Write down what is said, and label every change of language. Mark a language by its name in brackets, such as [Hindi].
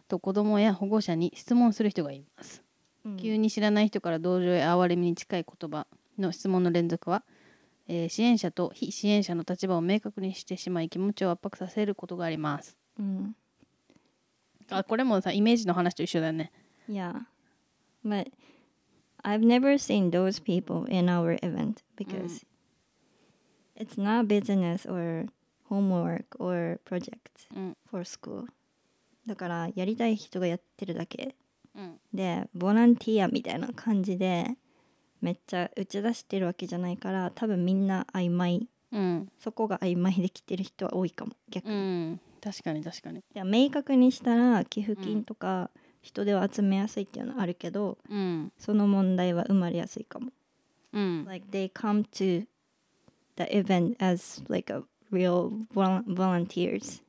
[Japanese] と子どもや保護者に質問する人がいます。 Mm. 急に知らない人から同情や哀れみに近い言葉の質問の連続は、支援者と非支援者の立場を明確にしてしまい気持ちを圧迫させることがあります、うん、あ、これもさ、イメージの話と一緒だよね。 Yeah. [English] But I've never seen those people in our event because、うん、it's not business or homework or project、うん、 for school. [Japanese] だからやりたい人がやってるだけ、うん、で、ボランティアみたいな感じでめっちゃ打ち出してるわけじゃないから、多分みんな曖昧、うん、そこが曖昧できてる人は多いかも逆に、うん、確かに確かに。いや、明確にしたら寄付金とか人では集めやすいっていうのはあるけど、うん、その問題は生まれやすいかも、うん、 [English] Like they come to the event as like a real volunteers、